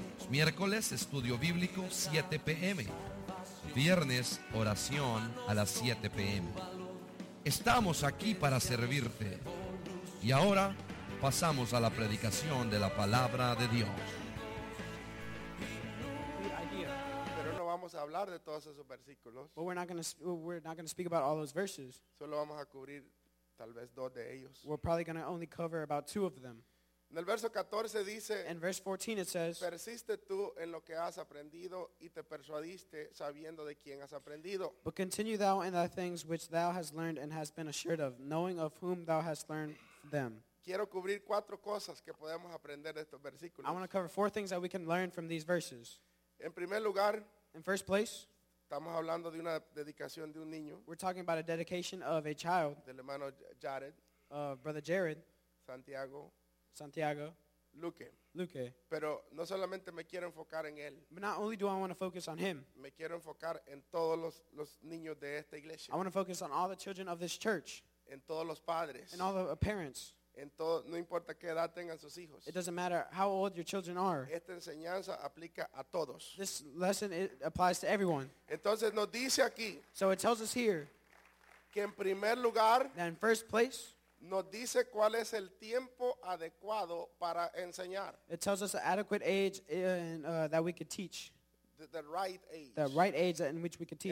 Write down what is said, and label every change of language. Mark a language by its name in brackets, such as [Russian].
[Spanish] Miércoles, Estudio Bíblico, 7 p.m. Viernes, Oración a las 7 p.m. Estamos aquí para servirte. Y ahora, pasamos a la predicación de la Palabra de Dios. Pero no vamos a hablar de todos esos versículos. [English] We're not going to speak about all those verses. [Spanish] Solo vamos a cubrir tal vez dos de ellos. [English] We're probably going to only cover about two of them. [Spanish] En el verso 14 dice, [English] in verse 14 it says, [Spanish] persiste tú en lo que has aprendido y te persuadiste sabiendo de quién has aprendido. [English] But continue thou in thy things which thou hast learned and hast been assured of, knowing of whom thou hast learned them. [Spanish] Quiero cubrir cuatro cosas que podemos aprender de estos versículos. [English] I want to cover four things that we can learn from these verses. [Spanish] En primer lugar, [English] in first place, [Spanish] estamos hablando de una dedicación de un niño. [English] We're talking about a dedication of a child. [Spanish] Del hermano Jared. [English] Brother Jared. [Spanish] Santiago. [English] Santiago. [Spanish] Luque. [English] Luque. [Spanish] Pero no solamente me quiero enfocar en él. [English] But not only do I want to focus on him. [Spanish] Me quiero enfocar en todos los niños de esta iglesia. [English] I want to focus on all the children of this church. [Spanish] En todos los padres. [English] And all the parents. [Spanish] En todo, no importa qué edad tengan sus hijos. [English] It doesn't matter how old your children are. [Spanish] Esta enseñanza aplica a todos. [English] This lesson, it applies to everyone. [Spanish] Entonces nos dice aquí. [English] So it tells us here. [Spanish] Que en primer lugar. [English] That in first place. [Spanish] Nos dice cuál es el tiempo adecuado para enseñar. [English] It tells us the adequate age in, that we could teach. The right age. The right age in which we could teach.